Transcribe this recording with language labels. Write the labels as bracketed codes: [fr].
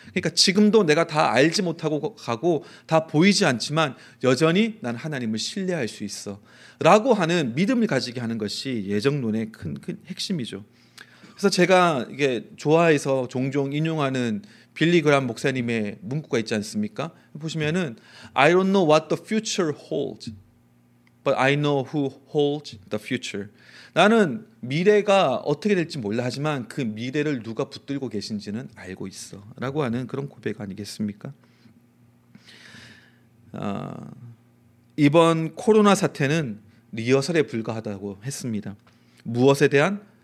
[ko] 그러니까 지금도 내가 다 알지 못하고 가고 다 보이지 않지만 여전히 난 하나님을 신뢰할 수 있어 라고 하는 믿음을 가지게 하는 것이 예정론의 큰 핵심이죠. 그래서 제가 이게 좋아해서 종종 인용하는 빌리 그람 목사님의 문구가 있지 않습니까? 보시면은 [en] I don't know what the future holds, but I know who holds the future. [ko] 나는 미래가 어떻게 될지 몰라 하지만 그 미래를 누가 붙들고 계신지는 알고 있어 라고 하는 그런 고백 아니겠습니까? 이번 코로나 사태는 리허설에 불과하다고 했습니다. 무엇에 대한?